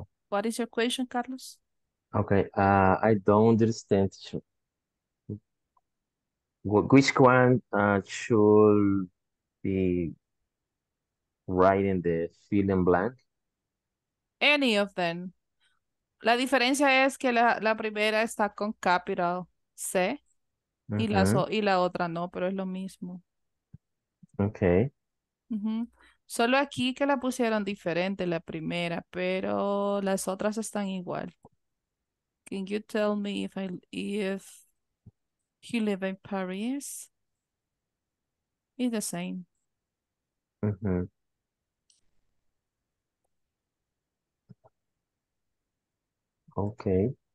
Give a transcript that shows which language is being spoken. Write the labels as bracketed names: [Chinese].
[English] What is your question, Carlos? Okay, I don't understand. Which one should be writing the fill in blank? Any of them. [Spanish] La diferencia es que la primera está con capital C, mm-hmm, y la otra no, pero es lo mismo. [English] Okay. Mm-hmm. [Spanish] Solo aquí que la pusieron diferente la primera, pero las otras están igual. [English] Can you tell me if he live in Paris? It's the same. Mm-hmm. Okay.